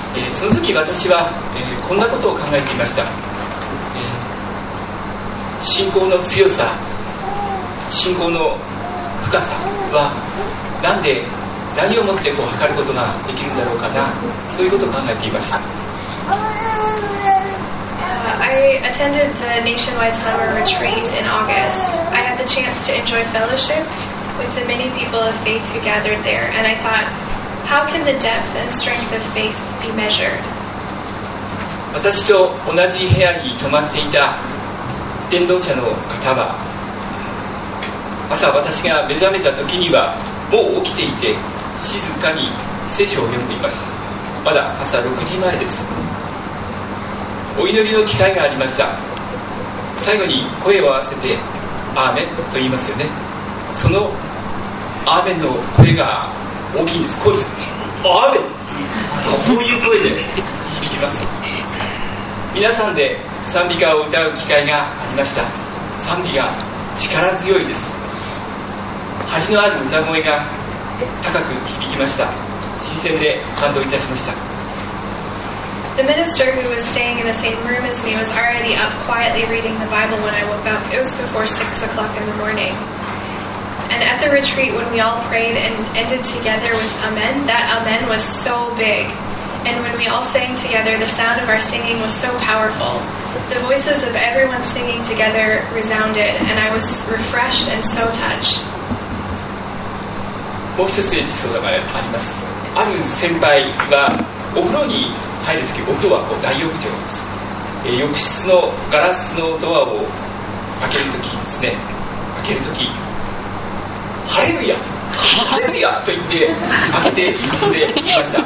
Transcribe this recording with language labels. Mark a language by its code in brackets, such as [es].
[ja] その時私は、こんなことを考えていました。信仰の強さ、信仰の深さは何で、何をもってこう測ることができるんだろうかな、そういうことを考えていました。 [en] I attended the nationwide summer retreat in August. I had the chance to enjoy fellowship with the many people of faith who gathered there, and I thought, how can the depth and strength of faith be measured? [ja] 私と同じ部屋に泊まっていた伝道者の方は、朝私が目覚めた時にはもう起きていて、静かに聖書を読んでいました。まだ朝6時前です。お祈りの機会がありました。最後に声を合わせてアーメンと言いますよね。そのアーメンの声が大きいんです。こうです。アーメン。こういう声で響きます。皆さんで賛美歌を歌う機会がありました。賛美が力強いです。張りのある歌声が高く響きました。新鮮で感動いたしました。 [en] The minister who was staying in the same room as me was already up quietly reading the Bible when I woke up. It was before 6 o'clock in the morning. And at the retreat when we all prayed and ended together with Amen, that Amen was so big. And when we all sang together, the sound of our singing was so powerful. The voices of everyone singing together resounded, and I was refreshed and so touched. [ja] もう一つエピソードがあります。ある先輩はお風呂に入るとき、音はこう大浴場です。浴室のガラスのドアを開けるときですね、開けるとき、ハレルヤハレルヤと言って開けて進んできました。